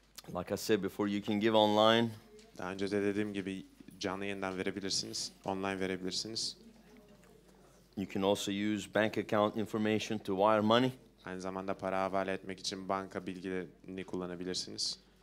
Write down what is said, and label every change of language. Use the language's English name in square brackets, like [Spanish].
[English] Like I said before, you can give online. [Turkish] Daha önce de dediğim gibi canlı yayından verebilirsiniz, online verebilirsiniz. [English] You can also use bank account information to wire money. [Turkish] Aynı zamanda para havale etmek için banka bilgilerini kullanabilirsiniz.